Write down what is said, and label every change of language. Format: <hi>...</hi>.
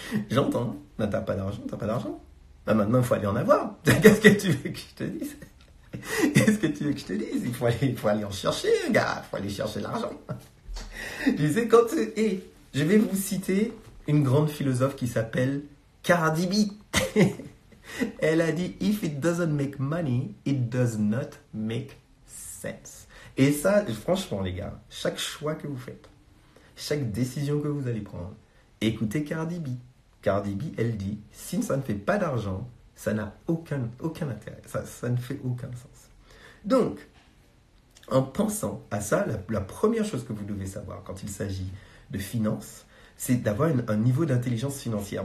<fr>J'entends, bah, t'as pas d'argent, t'as pas d'argent. Bah, maintenant, il faut aller en avoir. Qu'est-ce que tu veux que je te dise? Qu'est-ce que tu veux que je te dise? Il faut aller en chercher, gars, il faut aller chercher l'argent. Tu sais, je vais vous citer une grande philosophe qui s'appelle Cardi B. Elle a dit,</fr> <en>if it doesn't make money, it does not make sense.</en> <fr>Et ça, franchement, les gars, chaque choix que vous faites, chaque décision que vous allez prendre, écoutez Cardi B. Cardi B, elle dit, si ça ne fait pas d'argent, ça n'a aucun intérêt, ça ne fait aucun sens. Donc, en pensant à ça, la première chose que vous devez savoir quand il s'agit de finances, c'est d'avoir un niveau d'intelligence financière.</fr>